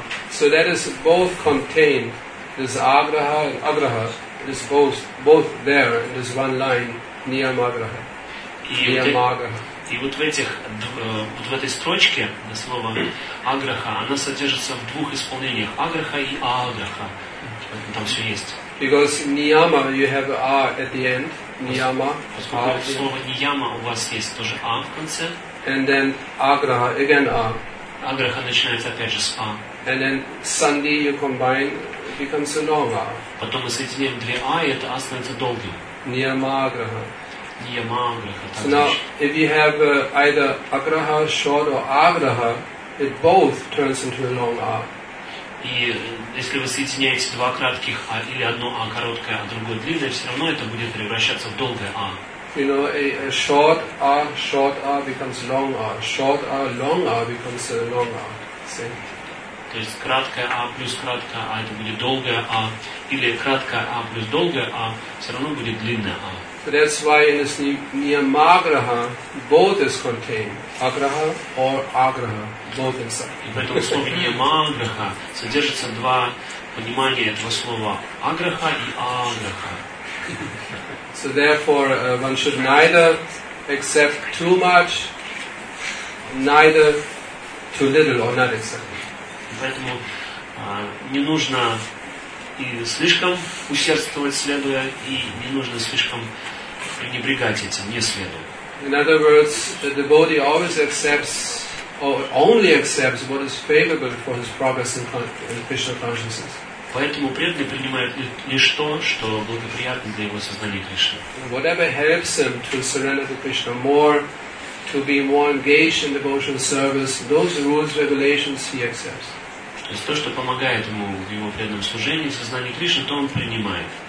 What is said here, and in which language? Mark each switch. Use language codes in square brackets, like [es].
[en] So that is both contained. This аграха and аграха is both there in this one line, Niyam Agraha. [ru] И вот в этих, вот в этой строчке слово Аграха, она содержится в двух исполнениях: Аграха и Аграха. Там все есть. [en] Because Niyama, you have A at the end. [sa] Niyama. [ru] Поскольку слово Niyama у вас есть тоже A в конце. [en] And then Аграха again A. [ru] Аграха начинается опять же с A. [en] And then Sandhi you combine becomes a long A. [ru] Потом мы соединяем две A, и это A становится долгим. [sa] Niyama Аграха. Yama, [en] so now, if you have either Agraha short or Agraha, it both turns into a long A. [ru] И если вы соединяете два кратких А или одно А короткое, а другое длинное, все равно это будет превращаться в долгое А. [en] You know, a short A becomes long A. Short A, long A becomes a long A. Same. [ru] То есть краткое А плюс краткое А это будет долгое А, или краткое А плюс долгое А все равно будет длинное А. [en] So that's why in this Niyamagraha, both is contained, Agraha or Agraha, both inside. [ru] И поэтому в слове Niyamagraha содержится два понимания этого слова, Agraha и Agraha. [en] So therefore, one should neither accept too much, neither too little or not accept. [ru] Поэтому не нужно и слишком усердствовать, следуя, и не нужно слишком пренебрегать этим, не следует. [en] In other words, the devotee always accepts or only accepts what is favorable for his progress in Krishna consciousness. [ru] Поэтому преданный принимает лишь то, что благоприятно для его сознания Кришны. [en] Whatever helps him to surrender to Krishna more, to be more engaged in devotional service, those rules, regulations he accepts. [ru] То есть то, что помогает ему в его преданном служении, сознании Кришны, то он принимает.